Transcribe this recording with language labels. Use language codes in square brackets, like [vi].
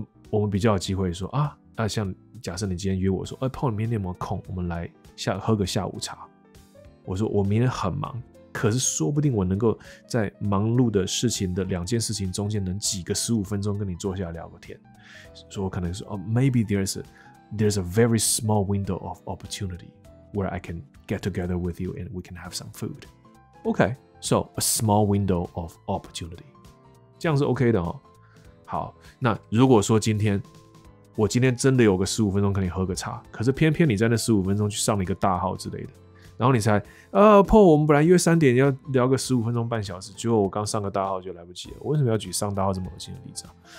[zh] 我们比较有机会说像假设你今天约我说，Paul， 你明天有没有空？我们来喝个下午茶。我说我明天很忙。可是说不定我能够在忙碌的事情的两件事情中间能挤个15分钟跟你坐下聊个天。所以我可能说、 [en] oh, maybe there's a very small window of opportunity where I can get together with you and we can have some food. Okay, so a small window of opportunity. [zh] 这样是 OK 的哦。好，那如果说我今天真的有个15分钟跟你喝个茶，可是偏偏你在那15分钟去上了一个大号之类的。然后你才Paul， 我们本来约三点要聊个15分钟半小时，结果我刚上个大号就来不及了。我为什么要举上大号这么恶心的例子啊？